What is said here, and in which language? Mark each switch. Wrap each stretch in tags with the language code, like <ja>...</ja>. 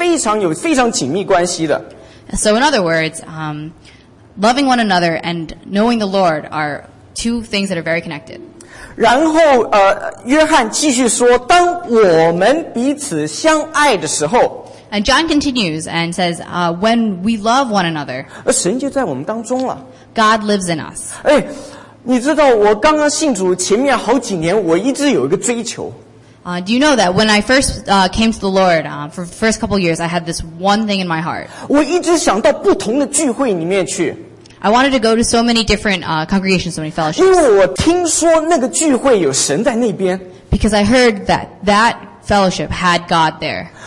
<zh>所以说我们彼此相爱跟我们认识神是一个非常紧密关系的。</zh> <en>So in other words, loving one another and knowing the Lord are two things that are very connected.</en> <zh>然后, 约翰继续说, 当我们彼此相爱的时候,</zh> <en>and John continues and says, when we love one another,</en> <zh>神就在我们当中了。</zh> <en>God lives in us.</en> <zh>哎, 你知道我刚刚信主前面好几年我一直有一个追求。</zh> <en>Do you know that when I first came to the Lord, for the first couple of years, I had this one thing in my heart.</en> <zh>我一直想到不同的聚会里面去。</zh> <en>I wanted to go to so many different congregations, so many fellowships.</en> <zh>因为我听说那个聚会有神在那边。</zh> <en>Because I heard that that fellowship had God there.</en>